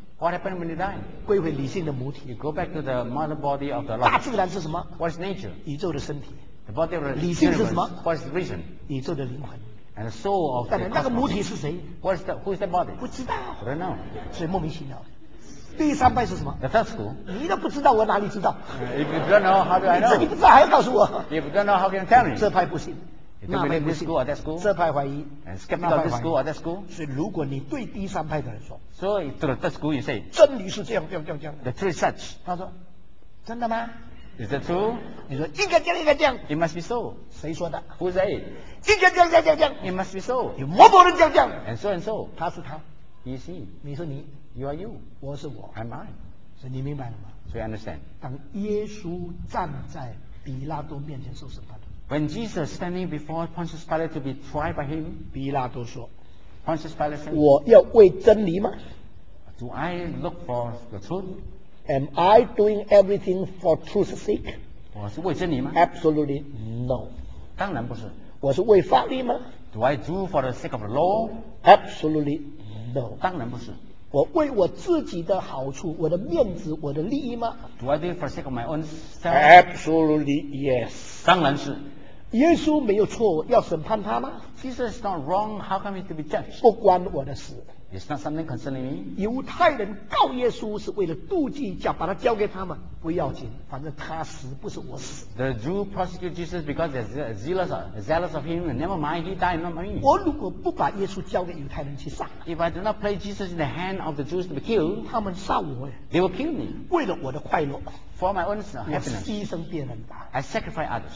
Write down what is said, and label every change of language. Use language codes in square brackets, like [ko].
[en] What happened when you die? [zh] 归回理性的母体。 [en] You go back to the mother body of the life. [zh] 大自然是什么 [en] ？What's nature? [zh] 宇宙的身体。 [en] The body of the universe. [zh] 理性是什么 [en] ？What's reason? [zh] 宇宙的灵魂。 [en] And the soul of the cosmos. [zh] 那个母体是谁 [en] ？What's the who's the body? [zh] 不知道。 [en] I don't know. [zh] 所以莫名其妙。第三派是什么 [en] ？The third school. [zh] 你都不知道，我哪里知道 [en] ？If you don't know, how do I know? [zh] 你不知道还要告诉我 [en] ？If you don't know, how can you tell me? [zh] 这派不信。那派不信 ， [en] or that school， [zh] 这派怀疑 [en] ，and skeptical this school or that school。 [zh] 所以如果你对第三派的人说 [en] ，so to the third school you say， [zh] 真理是这样这样这样这样。 [en] The truth is such。 [zh] 他说，真的吗 [en] ？Is that true？ [zh] 你说应该这样应该这样。 [en] It must be so。 [zh] 谁说的 [en] ？Who say？ [zh] 应该这样这样这样这样。 [en] It must be so。 [zh] 有某某人这样这样。 [en] And so and so。 [zh] 他是他。 [en] You see。 [zh] 你说你。 [en] You are you。 [zh] 我是我。 [en] I'm I。 [zh] 所以你明白了吗 [en] ？So you understand。 [zh] 当耶稣站在比拉多面前受审判。 [en] When Jesus standing before Pontius Pilate to be tried by him, [zh] 比拉多说 [en] ，Pontius Pilate said, [zh] 我要为真理吗 [en] ？Do I look for the truth? Am I doing everything for truth's sake? [zh] 我是为真理吗 [en] ？Absolutely no. [zh] 当然不是。我是为法律吗 [en] ？Do I do for the sake of the law? Absolutely no. [zh] 当然不是。我为我自己的好处、我的面子、我的利益吗 [en] ？Do I do for the sake of my own self? Absolutely yes. [zh] 当然是。耶稣没有错，要审判他吗 [en] ？Jesus is not wrong. How come he to be judged? [zh] 不关我的事。 [en] It's not something concerning me. [zh] 犹太人告耶稣是为了妒忌，叫把他交给他们，不要紧，反正他死不是我死。 [en] The Jew prosecute Jesus because they're zealous of him. Never mind, he died, not me. [zh] 我如果不把耶稣交给犹太人去杀 [en] ，If I do not place Jesus in the hand of the Jews to be killed, [zh] 他们杀我 [en] ，They will kill me. [zh] 为了我的快乐 [en] ，For my own happiness, [zh] 牺牲别人吧 [en] ，I sacrifice others.